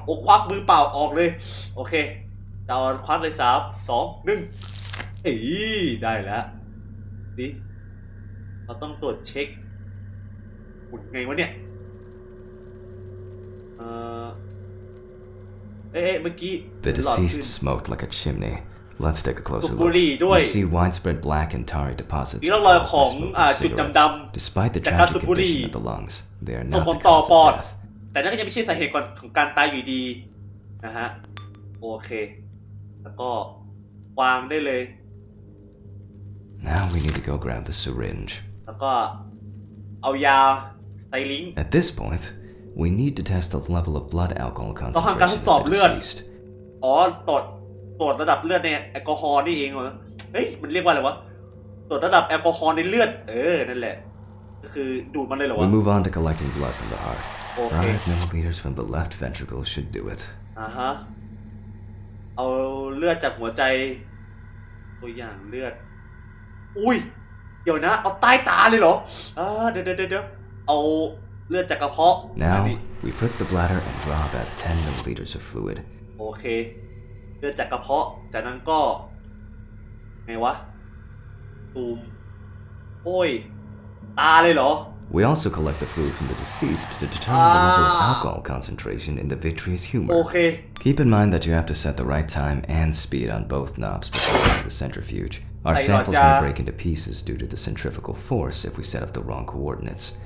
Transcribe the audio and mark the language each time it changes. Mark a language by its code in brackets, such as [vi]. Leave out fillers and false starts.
[th] โอ้ควักมือเปล่าออกเลยโอเคเดาควักเลยสามสองหนึ่งเฮ้ยได้แล้วดิเราต้องตรวจเช็คหุ่นไงวะเนี่ยเมื่อกี้ [en] The deceased smoked like a chimney. Let's take a closer look. [th] บุหรี่ด้วย [en] We see widespread black and tarry deposits. [th] มีร่องรอยของจุดดำ [en] ๆ Despite the tragic condition of the lungs, they are not the cause of death. [th] แต่นั่นก็ยังไม่ใช่สาเหตุของการตายอยู่ดีนะฮะโอเคแล้วก็วางได้เลย [en] Now we need to go grab the syringe. [th] แล้วก็เอายาไซลิง [en] At this point, we need to test the level of blood alcohol concentration. [th] ต้องการทดสอบเลือ ดอ๋อตรวจระดับเลือดในแอลกอฮอล์นี่เองเหรอเฮ้ยมันเรียกว่าอะไรวะตรวจระดับแอลกอฮอล์ในเลือดนั่นแหละก็คือดูดมันเลยเหรอวะ [en] We move on to collecting blood from the heart. Okay. 5 milliliters from the left ventricle should do it. [th] ฮะเอาเลือดจากหัวใจตัวอย่างเลือดอุ้ยเดี๋ยวนะเอาใต้ตาเลยเหรอเดี๋ยวเอาเลือดจากกระเพาะ [en] Now we prick the bladder and draw about 10 milliliters of fluid [th] โอเคเลือดจากกระเพาะจากนั้นก็ไงวะตูมโอ้ยตาเลยเหรอ [en] We also collect the fluid from the deceased to determine the level of alcohol concentration in the vitreous humor. Okay. Keep in mind that you have to set the right time and speed on both knobs before the centrifuge. Our samples may break into pieces due to the centrifugal force if we set up the wrong coordinates.